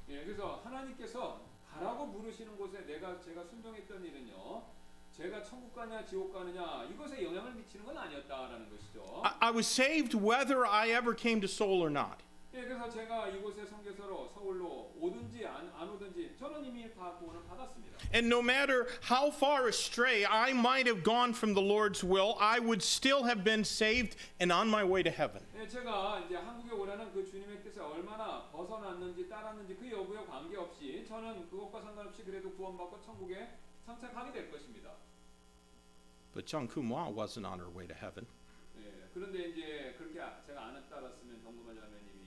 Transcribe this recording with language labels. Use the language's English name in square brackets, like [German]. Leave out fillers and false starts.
[Korean] 예, 그래서 하나님께서 가라고 부르시는 곳에 내가 제가 순종했던 일은요, 제가 천국 가냐 지옥 가느냐 이것에 영향을 미치는 건 아니었다라는 것이죠. [English] I was saved whether I ever came to Seoul or not. [Korean] 예, 그래서 제가 이곳에 선교사로 서울로 오든지 안 오든지 저는 이미 다 구원을 받았습니다. [English] And no matter how far astray I might have gone from the Lord's will, I would still have been saved and on my way to heaven. [Korean] 예, 제가 이제 한국에 오라는 그 주님의 뜻에 얼마나 벗어났는지 따랐는지 그 여부에 관계없이 저는 그것과 상관없이 그래도 구원받고 천국에 상착하게 될 것입니다. [English] But Chung Kum Wah wasn't on her way to heaven. [Korean] 예, 그런데 이제 그렇게 제가 안 따랐으면 경고하자면